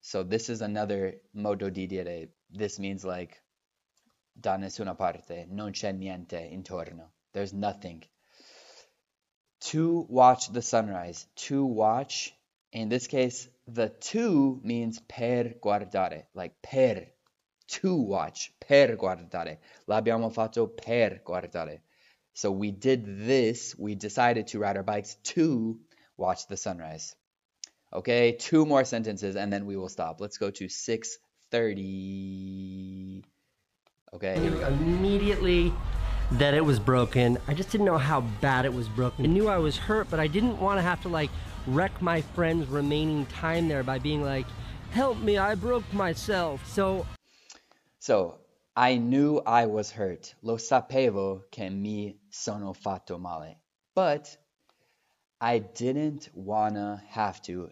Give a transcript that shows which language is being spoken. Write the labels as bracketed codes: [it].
[en] So this is another [it] modo di dire. [en] This means like [it] da nessuna parte, non c'è niente intorno. [en] There's nothing. To watch the sunrise, to watch, in this case, the to means [it] per guardare, [en] like per, to watch, per guardare. [it] L'abbiamo fatto per guardare. [en] So we did this, we decided to ride our bikes to watch the sunrise. Okay, two more sentences and then we will stop. Let's go to 6:30. Okay, here we go. Immediately that it was broken. I just didn't know how bad it was broken. I knew I was hurt, but I didn't want to have to like wreck my friend's remaining time there by being like, help me, I broke myself. So I knew I was hurt. [it] Lo sapevo che mi sono fatto male. [en] But I didn't wanna have to.